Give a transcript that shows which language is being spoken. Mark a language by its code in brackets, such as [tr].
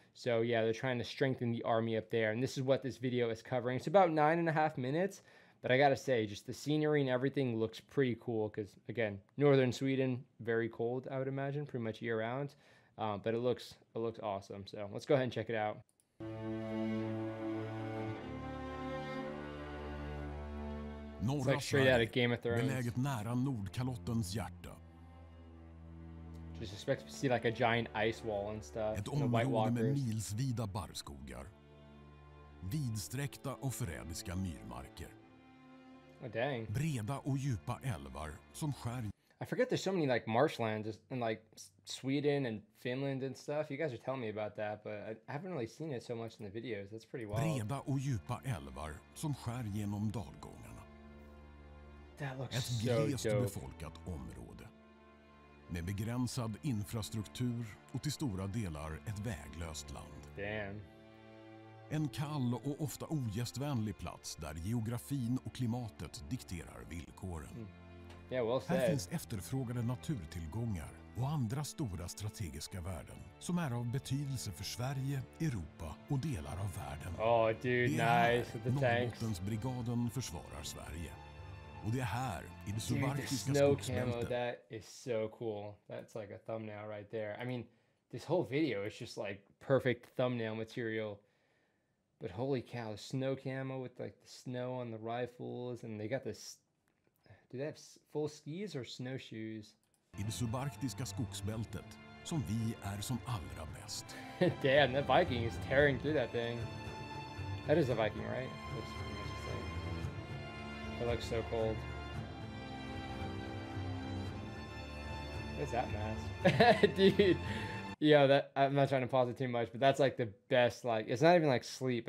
[en] So yeah, they're trying to strengthen the army up there. And this is what this video is covering. It's about 9.5 minutes, but I gotta say just the scenery and everything looks pretty cool. Cause again, Northern Sweden, very cold, I would imagine, pretty much year round. But it looks awesome. So let's go ahead and check it out. [sv] Norra Sverige, beläget nära Nordkalottens hjärta. [en] Just expect to see like a giant ice wall and stuff. [sv] Ett område med milsvida barrskogar, vidsträckta och förrädiska myrmarker. [en] Oh, dang. [sv] Breda och djupa älvar som skär. [en] I forget there's so many like marshlands in like Sweden and Finland and stuff. You guys are telling me about that, but I haven't really seen it so much in the videos. That's pretty wild. [sv] Breda och djupa älvar som skär genom dalgångarna. [en] That looks ett so dope. [sv] Ett glest befolkat område med begränsad infrastruktur och till stora delar ett väglöst land. Damn. En kall och ofta ogästvänlig plats där geografin och klimatet dikterar villkoren. Mm. [en] Yeah, well said. [sv] Här finns efterfrågade naturtillgångar och andra stora strategiska värden som är av betydelse för Sverige, Europa och delar av världen. [en] Oh, dude, [sv] det är nice. Här Norrbottensbrigaden försvarar Sverige. Och det är här i det subarktiska skogsbältet. [en] That is so cool. That's like a thumbnail right there. I mean, this whole video is just like perfect thumbnail material. But holy cow, snow camo with like the snow on the rifles, and they got this. Do they have full skis or snowshoes? [sv] I det subarktiska skogsbältet som vi är som allra bäst. [en] Damn, that Viking is tearing through that thing. That is a Viking, right? That's pretty much the same. That looks so cold. What's that mask? Dude. Yeah, that I'm not trying to pause it too much, but that's like the best, like, it's not even like sleep.